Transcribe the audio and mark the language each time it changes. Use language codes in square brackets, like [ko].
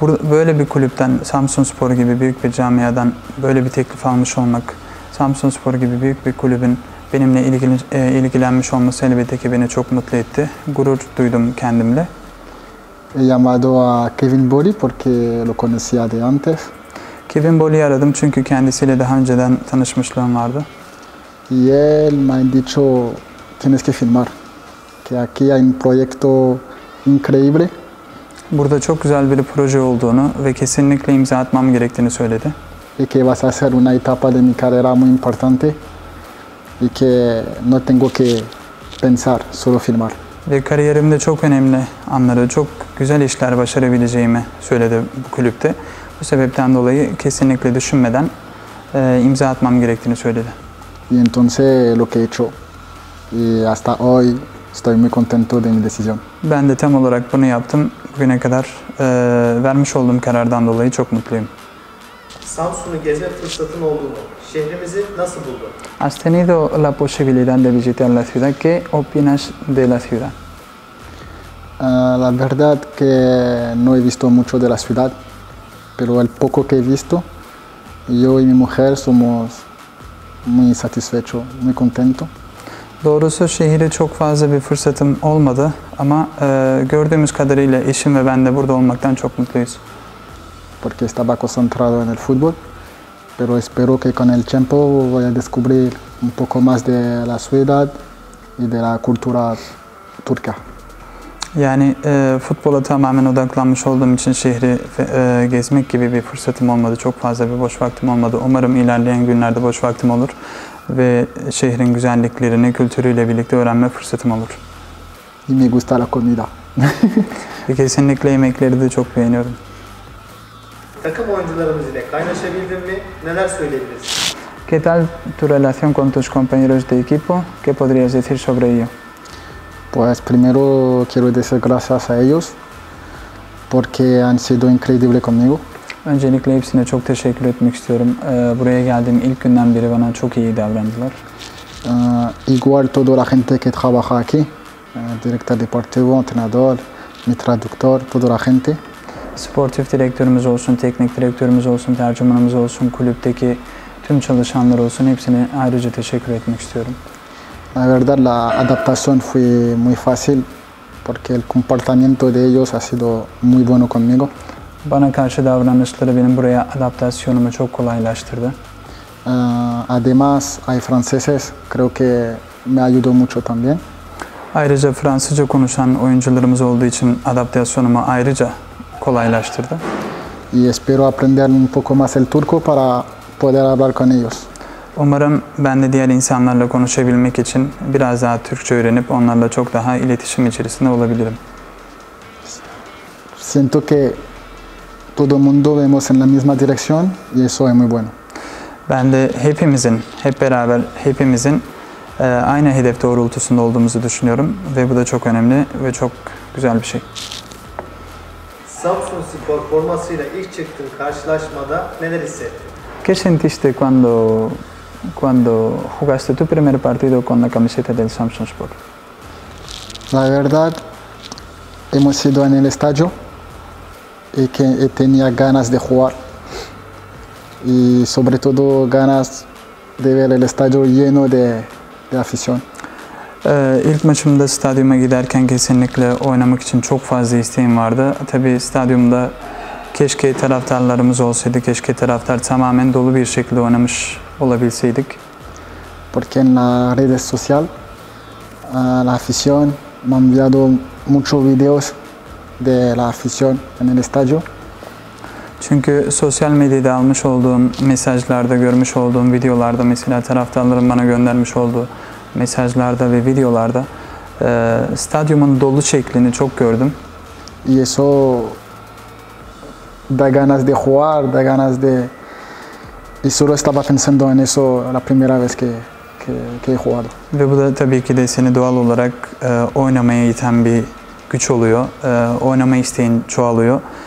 [tr] Böyle bir kulüpten, Samsunspor gibi büyük bir camiadan böyle bir teklif almış olmak, Samsunspor gibi büyük bir kulübün benimle ilgilenmiş olması elbette ki beni çok mutlu etti. Gurur duydum kendimle. [es] He llamado a Kevin Boli porque lo conocía de antes. [tr] Kevin Boli'yi aradım çünkü kendisiyle daha önceden tanışmışlığım vardı. [es] Y él me ha dicho tienes que firmar. Que aquí hay un proyecto increíble. [tr] Burada çok güzel bir proje olduğunu ve kesinlikle imza atmam gerektiğini söyledi. [es] Y que vas a ser una etapa de mi carrera muy importante. Y que no tengo que pensar, solo firmar. [tr] Ve kariyerimde çok önemli anları, çok güzel işler başarabileceğimi söyledi bu kulüpte. Bu sebepten dolayı kesinlikle düşünmeden imza atmam gerektiğini söyledi. [es] Y entonces lo que he hecho. Y hasta hoy estoy muy contento de mi decisión. [tr] Ben de tam olarak bunu yaptım. Bugüne kadar vermiş olduğum karardan dolayı çok mutluyum. Samsun'u gezme fırsatın oldu mu? Şehrimizi nasıl buldun? [es] ¿Has tenido la posibilidad de visitar la ciudad? ¿Qué opinas de la ciudad? La verdad que no he visto mucho de la ciudad, pero el poco que he visto, yo y mi mujer somos muy satisfechos, muy contentos. [tr] Doğrusu şehire çok fazla bir fırsatım olmadı ama gördüğümüz kadarıyla eşim ve ben de burada olmaktan çok mutluyuz. [es] Porque estaba concentrado en el fútbol. Pero espero que con el tiempo voy a descubrir un poco más de la ciudad y de la cultura turca. [tr] Yani futbola tamamen odaklanmış olduğum için şehri gezmek gibi bir fırsatım olmadı. Çok fazla bir boş vaktim olmadı. Umarım ilerleyen günlerde boş vaktim olur ve şehrin güzelliklerini kültürüyle birlikte öğrenme fırsatım olur. [es] Y me gusta la comida. [tr] Kesinlikle yemekleri de çok beğeniyorum. Takım oyuncularımız ile kaynaşabildin mi? Neler söylediniz? [es] ¿Qué tal tu relación con tus compañeros de equipo? ¿Qué podrías decir sobre ello? Pues primero quiero decir gracias a ellos porque han sido increíbles conmigo. [tr] Öncelikle hepsine çok teşekkür etmek istiyorum. Buraya geldiğim ilk günden beri bana çok iyi davrandılar. [es] Igual toda la gente que trabaja aquí, director deportivo, entrenador, mi traductor, toda la gente. [tr] Sportif direktörümüz olsun, teknik direktörümüz olsun, tercümanımız olsun, kulüpteki tüm çalışanlar olsun, hepsine ayrıca teşekkür etmek istiyorum. [es] La verdad la adaptación fue muy fácil porque el comportamiento de ellos ha sido muy bueno conmigo. [tr] Bana karşı davranışları benim buraya adaptasyonumu çok kolaylaştırdı. [es] Además hay franceses, creo que me ayudó mucho también. [tr] Ayrıca Fransızca konuşan oyuncularımız olduğu için adaptasyonumu ayrıca kolaylaştırdı. [es] Y espero aprender un poco más el turco para poder hablar con ellos. [tr] Umarım ben de diğer insanlarla konuşabilmek için biraz daha Türkçe öğrenip onlarla çok daha iletişim içerisinde olabilirim. [es] Siento que todo mundo vemos en la misma dirección y eso es muy bueno. [tr] Ben de hepimizin, hep beraber hepimizin aynı hedef doğrultusunda olduğumuzu düşünüyorum ve bu da çok önemli ve çok güzel bir şey. Samsunspor formasıyla ilk çıktığın karşılaşmada neler hissettin? [es] ¿Qué sentiste cuando jugaste tu primer partido con la camiseta del Samsunspor? La verdad, hemos ido en el estadio y que tenía ganas de jugar y sobre todo ganas de ver el estadio lleno de afición. [tr] İlk maçımda stadyuma giderken kesinlikle oynamak için çok fazla isteğim vardı. Tabii stadyumda keşke taraftarlarımız olsaydı, keşke taraftar tamamen dolu bir şekilde oynamış olabilseydik. [es] Porque en las redes sociales la afición me ha enviado muchos videos de la afición en el estadio. [tr] Çünkü sosyal medyada almış olduğum mesajlarda, görmüş olduğum videolarda mesela taraftarların bana göndermiş olduğu mesajlarda ve videolarda stadyumun dolu şeklini çok gördüm. [es] Y eso da ganas de jugar, da ganas de... Y solo estaba pensando en eso la primera vez que he jugado. [tr] Ve, bu da tabii ki de seni doğal olarak oynamaya iten bir güç oluyor. Oynama isteğin çoğalıyor.